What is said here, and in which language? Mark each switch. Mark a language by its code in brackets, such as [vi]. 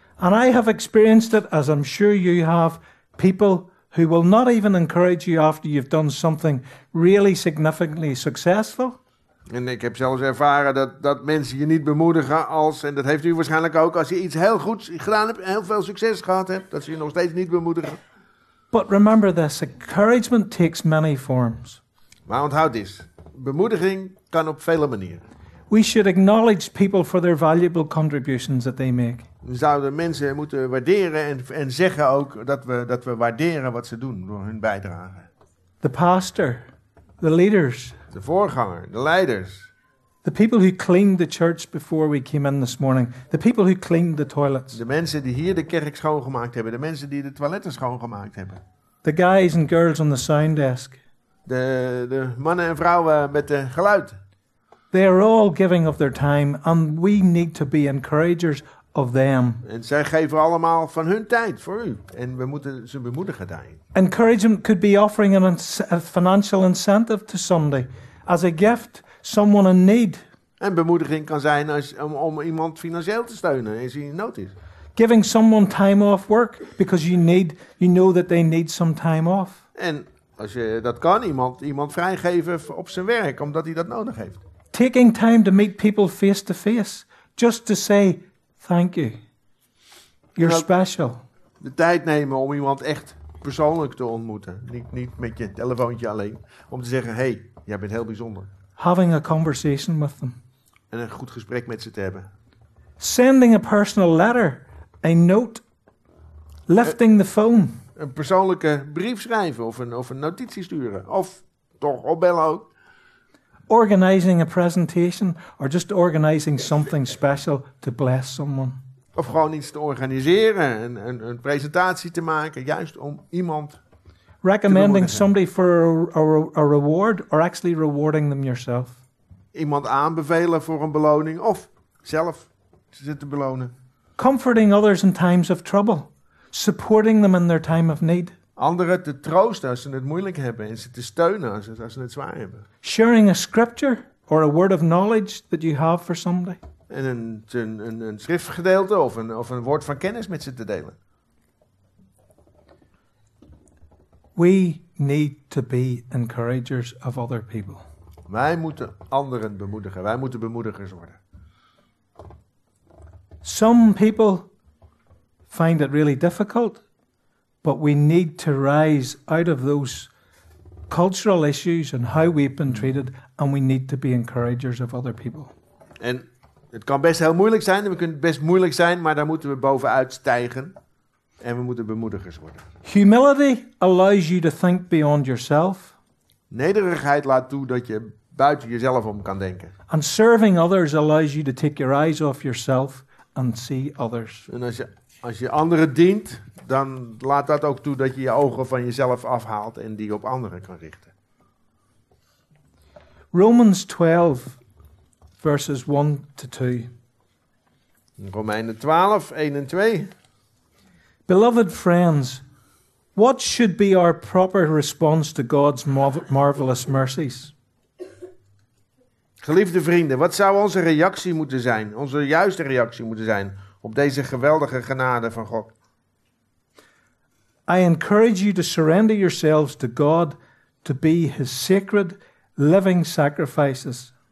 [en] And I have experienced it, as I'm sure you have, people who will not even encourage you after you've done something really significantly successful. [nl] En ik heb zelfs ervaren dat mensen je niet bemoedigen als, en dat heeft u waarschijnlijk ook, als je iets heel goeds gedaan hebt, heel veel succes gehad hebt, dat ze je nog steeds niet bemoedigen. [en] But remember this, encouragement takes many forms. [nl] Maar onthoud dit, bemoediging kan op vele manieren. [en] We should acknowledge people for their valuable contributions that they make. [nl] We zouden mensen moeten waarderen en zeggen ook dat we waarderen wat ze doen door hun bijdrage. [en] The pastor, the leaders. [nl] De voorganger, de leiders. [en] The people who cleaned the church before we came in this morning. The people who cleaned the toilets. [nl] De mensen die hier de kerk schoongemaakt hebben. De mensen die de toiletten schoongemaakt hebben. [en] The guys and girls on the sound desk. [nl] De mannen en vrouwen met de geluid. [en] They are all giving of their time and we need to be encouragers of them. [nl] En zij geven allemaal van hun tijd voor u. En we moeten ze bemoedigen daarin. [en] Encouragement could be offering a financial incentive to somebody. As a gift, someone in need. [nl] En bemoediging kan zijn om iemand financieel te steunen als hij in nood is. [en] Giving someone time off work because you know that they need some time off. [nl] En als je dat kan, iemand vrijgeven op zijn werk omdat hij dat nodig heeft. [en] Taking time to meet people face to face just to say thank you. You're special. [nl] De tijd nemen om iemand echt persoonlijk te ontmoeten. Niet met je telefoontje alleen. Om te zeggen, hey, jij bent heel bijzonder. [en] Having a conversation with them. [nl] En een goed gesprek met ze te hebben. [en] Sending a personal letter. A note. Lifting the phone. [nl] Een persoonlijke brief schrijven of een notitie sturen. Of toch opbellen ook. [en] Organizing a presentation or just organizing something special to bless someone. [nl] Of gewoon iets te organiseren, een presentatie te maken, juist om iemand. [en] Recommending somebody for a reward or actually rewarding them yourself. [nl] Iemand aanbevelen voor een beloning of zelf ze te belonen. [en] Comforting others in times of trouble. Supporting them in their time of need. [nl] Anderen te troosten als ze het moeilijk hebben en ze te steunen als ze het zwaar hebben. [en] Sharing a scripture or a word of knowledge that you have for somebody. [nl] En een schriftgedeelte of een woord van kennis met ze te delen. [en] We need to be encouragers of other people. [nl] Wij moeten anderen bemoedigen. Wij moeten bemoedigers worden. [en] Some people find it really difficult, but we need to rise out of those cultural issues and how we've been treated, and we need to be encouragers of other people. [nl] En het kan best heel moeilijk zijn, en we kunnen best moeilijk zijn, maar daar moeten we bovenuit stijgen en we moeten bemoedigers worden. [en] Humility allows you to think beyond yourself. [nl] Nederigheid laat toe dat je buiten jezelf om kan denken. [en] And serving others allows you to take your eyes off yourself and see others. [nl] En als je anderen dient, dan laat dat ook toe dat je je ogen van jezelf afhaalt en die op anderen kan richten. [en] Romans 12, verses 1 to 2. [nl] Romeinen 12, 1 en 2. [en] Beloved friends, what should be our proper response to God's marvelous mercies? [nl] Geliefde vrienden, wat zou onze reactie moeten zijn, onze juiste reactie moeten zijn op deze geweldige genade van God? [en] I encourage you to surrender yourselves to God to be his sacred living sacrifices.